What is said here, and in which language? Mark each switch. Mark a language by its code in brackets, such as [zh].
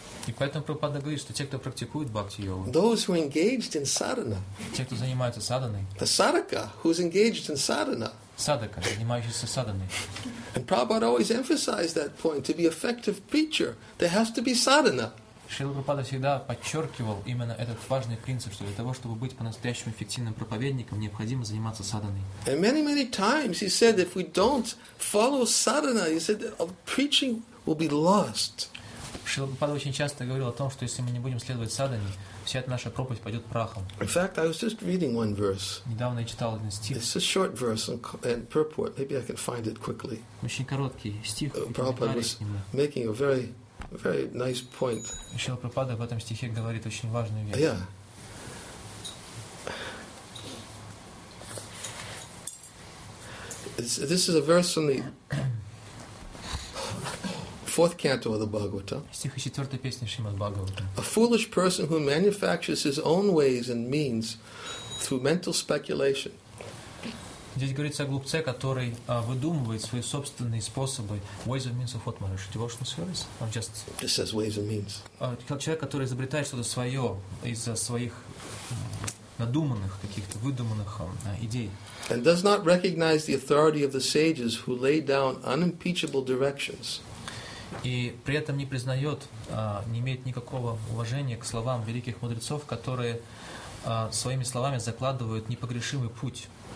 [ru] И поэтому Прабхупада говорит, что те, кто практикует бхакти йогу. [en] Those who engaged in sadhana. [ru] Те, кто занимаются садханой. [en] The sadhaka who's engaged in sadhana. [ru] Садхака, занимающийся садханой. [en] And Prabhupada always emphasized that point. To be effective preacher, there has to be sadhana. [ru] Шрила Прабхупада всегда подчеркивал именно этот важный принцип, что для того, чтобы быть по-настоящему эффективным проповедником, необходимо заниматься садханой. [en] And many, many times he said, if we don't follow sadhana, he said that preaching will be lost. [ru] Шрила Прабхупада очень часто говорил о том, что если мы не будем следовать садхане, вся эта наша проповедь пойдет прахом. [en] In fact, I was just reading one verse. [ru] Недавно я читал один стих. [en] It's a short verse and purport. Maybe I can find it quickly. [ru] Очень короткий стих. [en] Prabhupada was making a very very nice point. [ru] Шрила Прабхупада в этом стихе говорит очень важную вещь. [en] Yeah. This is a verse from the fourth canto of the Bhagavata. [ru] Стих из четвертой песни Шримад Бхагавата. [en] A foolish person who manufactures his own ways and means through mental speculation. [ru] Здесь говорится о глупце, который выдумывает свои собственные способы. [en] Ways and means of what manner? Devotional service? [ru] Он [en] just. This says ways and means. [ru] Человек, который изобретает что-то свое из-за своих надуманных каких-то выдуманных идей. [en] And does not recognize the authority of the sages who lay down unimpeachable directions. [ru] И при этом не признает, не имеет никакого уважения к словам великих мудрецов, которые своими словами закладывают непогрешимый путь.